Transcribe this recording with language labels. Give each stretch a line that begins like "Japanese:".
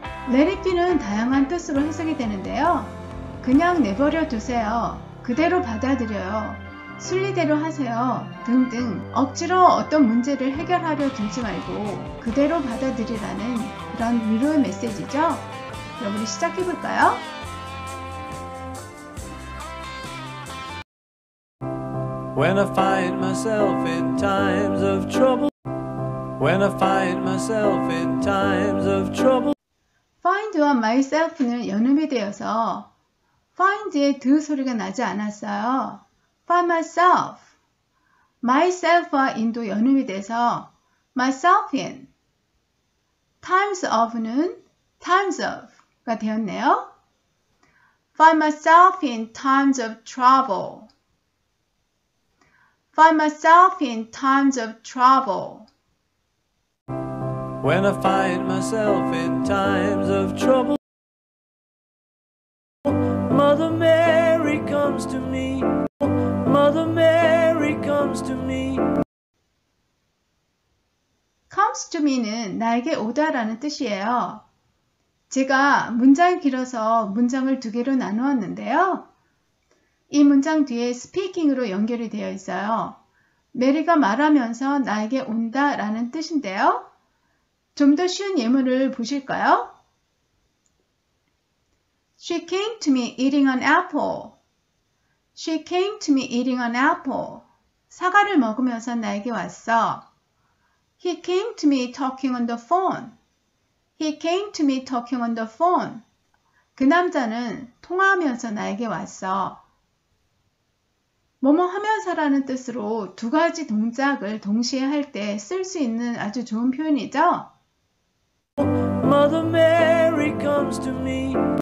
Korean: Let It Be는 다양한 뜻으로 해석이 되는데요. 그냥 내버려 두세요. 그대로 받아들여요. 순리대로 하세요. 등등 억지로 어떤 문제를 해결하려 들지 말고 그대로 받아들이라는 그런 위로의 메시지죠. 그럼 우리 시작해 볼까요?
English: When I find myself in times of trouble When I find myself in times of trouble
Korean: Find와 myself는 연음이 되어서 find의 드 소리가 나지 않았어요.
English: Find myself.
Korean: myself와 in도 연음이 돼서
English: myself in. times of
Korean: 는 times of가 되었네요.
English: Find myself in times of trouble. Find myself in times of trouble. When I find myself in times of trouble, Mother Mary comes to me. Mother Mary comes to me. Comes to me
Korean: 는 나에게 오다라는 뜻이에요. 제가 문장이 길어서 문장을 두 개로 나누었는데요. 이 문장 뒤에 speaking으로 연결이 되어 있어요. 메리가 말하면서 나에게 온다라는 뜻인데요. 좀 더 쉬운 예문을 보실까요?
English: She came to me eating an apple. She came to me eating an apple.
Korean: 사과를 먹으면서 나에게 왔어.
English: He came to me talking on the phone. He came to me talking on the phone.
Korean: 그 남자는 통화하면서 나에게 왔어. 뭐뭐 하면서라는 뜻으로 두 가지 동작을 동시에 할 때 쓸 수 있는 아주 좋은 표현이죠.
English: Mother Mary comes to me.